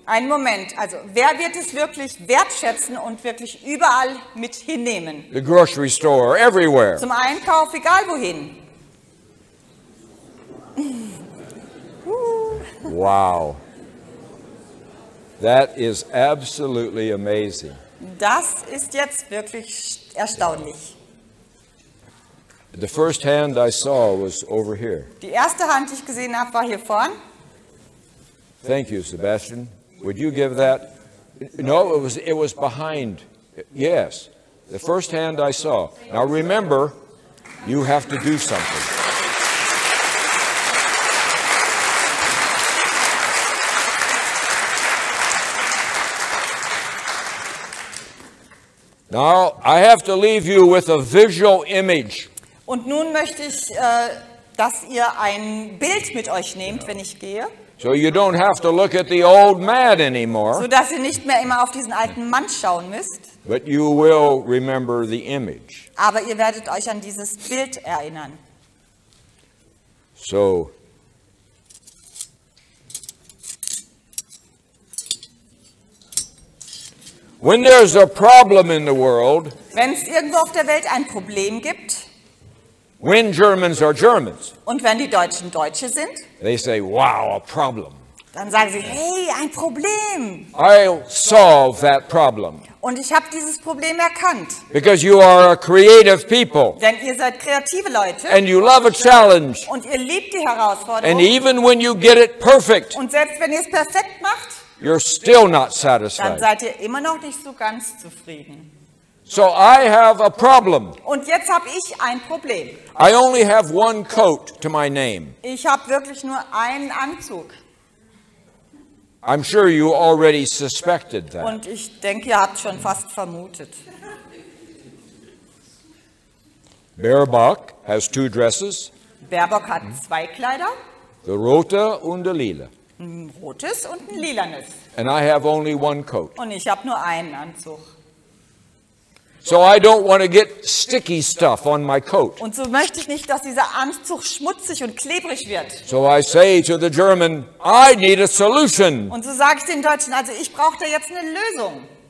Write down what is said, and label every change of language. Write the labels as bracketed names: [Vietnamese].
[German] Ein Moment, also wer wird es wirklich wertschätzen und wirklich überall mit hinnehmen? [English] The grocery store, everywhere. [German] Zum Einkauf, egal wohin. [English] Wow. That is absolutely amazing. [German] Das ist jetzt wirklich erstaunlich. [English] The first hand I saw was over here. [German] Die erste Hand, die ich gesehen habe, war hier vorn. [English] Thank you, Sebastian. Would you give that? No, it was behind. Yes. The first hand I saw. Now remember, you have to do something. Now I have to leave you with a visual image. [German] Und nun möchte ich, dass ihr ein Bild mit euch nehmt, wenn ich gehe. [English] So you don't have to look at the old man anymore. [German] So dass ihr nicht mehr immer auf diesen alten Mann schauen müsst. [English] But you will remember the image. [German] Aber ihr werdet euch an dieses Bild erinnern. [English] So when there's a problem in the world, [German] wenn es irgendwo auf der Welt ein Problem gibt, [English] when Germans are Germans, [German] und wenn die Deutschen Deutsche sind, [English] they say, wow, a problem. [German] Dann sagen sie, hey, ein Problem. [English] I'll solve that problem. [German] Und ich habe dieses Problem erkannt. [English] Because you are a creative people. [German] Denn ihr seid kreative Leute. [English] And you love a challenge. [German] Und ihr liebt die Herausforderung. [English] And even when you get it perfect, [German] und selbst wenn ihr es perfekt macht, [English] you're still not satisfied. [German] Dann seid ihr immer noch nicht so ganz zufrieden. [English] So I have a problem. [German] Und jetzt habe ich ein Problem. [English] I only have one coat to my name. [German] Ich habe wirklich nur einen Anzug. [English] I'm sure you already suspected that. [German] Und ich denke, ihr habt schon fast vermutet. [English] Baerbock has two dresses. [German] Baerbock hat zwei Kleider. The rote und der lila. Ein rotes und ein lilanes. [English] And I have only one coat. [German] Und ich habe nur einen Anzug. [English] So I don't want to get sticky stuff on my coat. [German] Und so möchte ich nicht, dass dieser Anzug schmutzig und klebrig wird. [English] So I say to the German, I need a solution. [German] Und so sage ich den Deutschen, also ich brauche da jetzt eine Lösung.